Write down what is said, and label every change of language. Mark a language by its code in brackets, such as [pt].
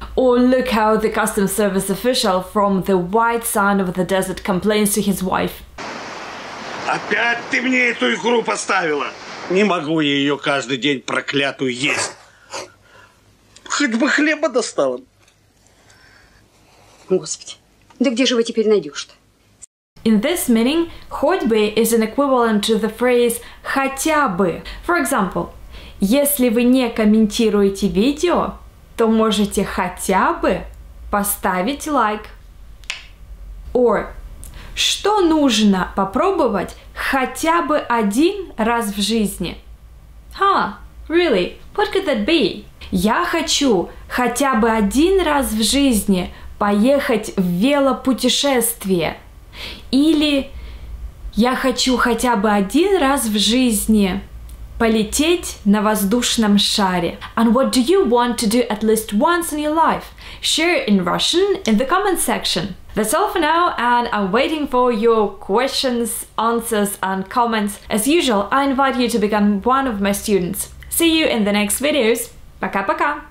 [en] Or look how the customs service official from the white sand of the desert complains to his wife. [ru] Опять ты мне эту игру поставила? Не могу я ее каждый день проклятую есть. Хоть бы хлеба достала. Господи, да где же вы теперь найдешь-то? [en] In this meaning, [ru] хоть бы [en] is an equivalent to the phrase [ru] хотя бы. [en] For example, [ru] если вы не комментируете видео, то можете хотя бы поставить лайк. Or, что нужно попробовать хотя бы один раз в жизни? [en] Huh, really? What could that be? [ru] Я хочу хотя бы один раз в жизни поехать в велопутешествие. Или я хочу хотя бы один раз в жизни полететь на воздушном шаре. [en] And what do you want to do at least once in your life? Share in Russian in the comment section. That's all for now, and I'm waiting for your questions, answers and comments. As usual, I invite you to become one of my students. See you in the next videos. [ru] Пока-пока!